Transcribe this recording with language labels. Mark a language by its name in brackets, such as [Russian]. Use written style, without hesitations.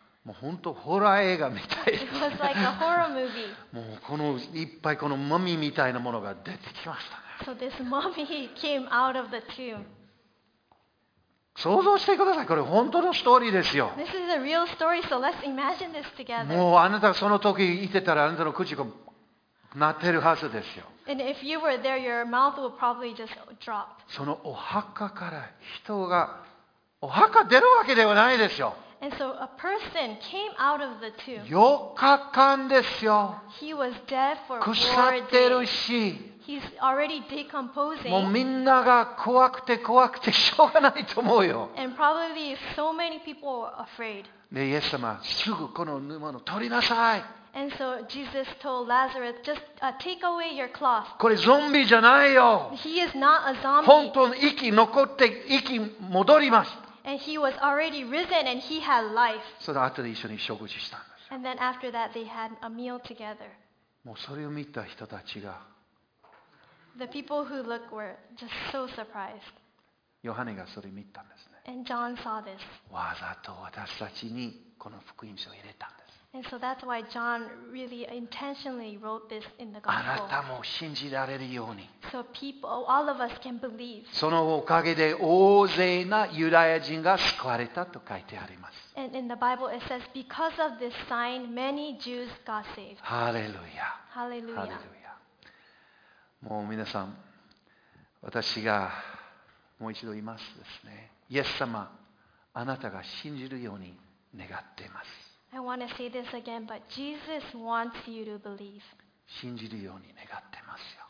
[Japanese] もう本当ホラー映画みたい。 [English] It was like a horror movie. [Japanese] もうこのいっぱいこのマミみたいなものが出てきましたね。 [English] So this mummy came out of the tomb. [Japanese] 想像してください。これ本当のストーリーですよ。 [English] This is a real story. So let's imagine this together. [Japanese] もうあなたその時いてたらあなたの口がなってるはずですよ。 [English] And if you were there, your mouth would probably just drop. [Japanese] そのお墓から人がお墓出るわけではないですよ。 [English] And so a person came out of the tomb. [Japanese] 4日間ですよ。 [English] He was dead for 4 days. [Japanese] 腐ってるし。 [English] He's already decomposing. [Japanese] もうみんなが怖くて怖くてしょうがないと思うよ。 [English] And probably so many people were afraid. [Japanese] で、イエス様、すぐこの布を取りなさい。 [English] And so Jesus told Lazarus, just take away your cloth. [Japanese] これゾンビじゃないよ。 [English] He is not a zombie. [Japanese] 本当に息残って息戻ります。 [English] And he was already risen and he had life. [Japanese] その後で一緒に食事したんです。 [English] And then after that they had a meal together. [Japanese] もうそれを見た人たちが。 [English] The people who looked were just so surprised. [Japanese] ヨハネがそれを見たんですね。 [English] And John saw this. [Japanese] わざと私たちにこの福音書を入れたんです。 [English] And so that's why John really intentionally wrote this in the gospel. [Japanese] あなたも信じられるように。 [English] So people, all of us can believe. [Japanese] そのおかげで大勢なユダヤ人が救われたと書いてあります。 [English] And in the Bible it says, because of this sign, many Jews got saved. Hallelujah. Hallelujah. Hallelujah. [Japanese] もう皆さん、私がもう一度言いますですね。イエス様、あなたが信じるように願っています。 [English] I want to say this again, but Jesus wants you to believe. [Japanese] 信じるように願ってますよ。